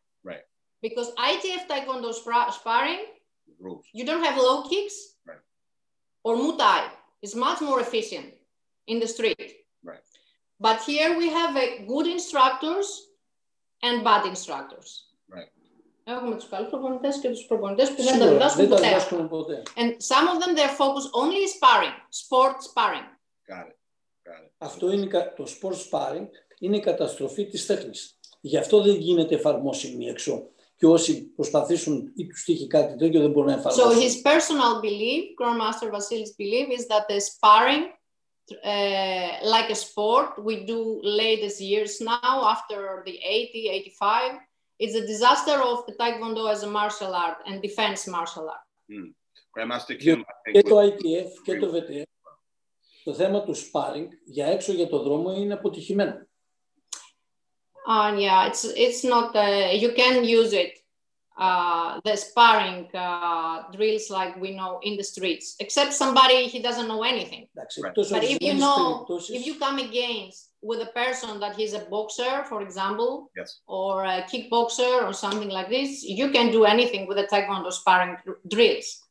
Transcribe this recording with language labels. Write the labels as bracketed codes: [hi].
[en] Right. Because ITF Taekwondo sparring, rules. You don't have low kicks. Right. Or Muay Thai is much more efficient in the street. Right. But here we have good instructors and bad instructors. Right. [el] Έχουμε τους καλούς προπονητές και τους προπονητές που δεν τα διδάσκουν ποτέ. [en] And some of them, their focus only is sparring, sport sparring. Got it. [el] Αυτό είναι το sport sparring, είναι η καταστροφή της τέχνης. Γι' αυτό δεν γίνεται εφαρμόσιμη έξω. Και όσοι προσπαθήσουν ή τους τύχει κάτι τέτοιο δεν μπορούν να εφαρμόσουν. [en] So his personal belief, Grandmaster Vasilis' belief, is that the sparring, like a sport, we do latest years now, after the 80, 85, is a disaster of the Taekwondo as a martial art and defense martial art. Grandmaster Kim, [el] και το ITF και το VTF. Το θέμα του sparring για έξω για το δρόμο είναι αποτυχημένο. [en] It's not you can use it the sparring drills like we know in the streets. Except somebody he doesn't know anything. Right. But if you know, if you come against with a person that he's a boxer, for example, or a kickboxer or something like this, you can do anything with the Taekwondo sparring drills.